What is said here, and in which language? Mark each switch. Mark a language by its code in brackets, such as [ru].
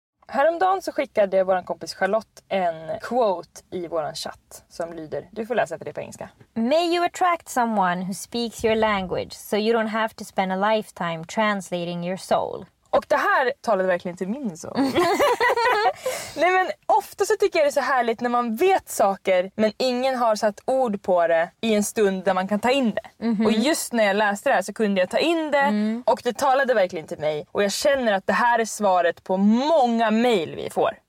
[sv] Häromdagen så skickade vår kompis Charlotte en quote i vår chatt som lyder, du får läsa för det på engelska. [en] May you attract someone who speaks your language so you don't have to spend a lifetime translating your soul. [sv] Och det här talade verkligen till min son. Nej, men ofta så tycker jag det är så härligt när man vet saker men ingen har satt ord på det i en stund där man kan ta in det. Mm-hmm. Och just när jag läste det här så kunde jag ta in det och det talade verkligen till mig. Och jag känner att det här är svaret på många mejl vi får.